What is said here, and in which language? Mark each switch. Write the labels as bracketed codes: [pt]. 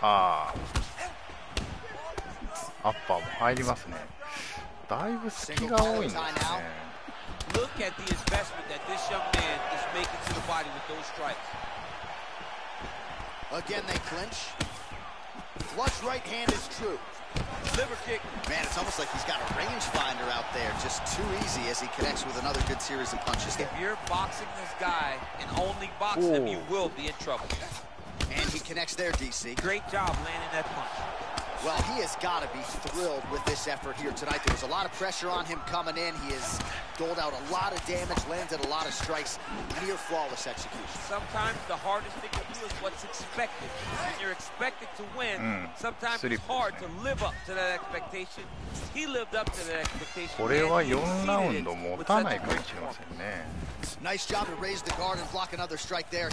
[ja] ああ、アッパーも入りますね。だいぶ隙が多いんですね。 [en] Look at the investment that this young man is making to the body with those strikes. Again, they clinch. Flush right hand is true. Liver kick. Man, it's almost like he's got a range finder out there. Just too easy as he connects with another good series of punches. If you're boxing this guy and only box him, you will be in trouble. And he connects there, DC. Great job landing that punch. Well, he has got to be thrilled with this effort here tonight. There was a lot of pressure on him coming in. He has doled out a lot of damage, landed a lot of strikes, near flawless execution. Sometimes the hardest thing to do is what's expected. When you're expected to win, sometimes it's hard to live up to that expectation. He lived up to that expectation. [ja] これは4ラウンド持たないかもしれませんね。 [en] Nice job to raise the guard and block another strike there.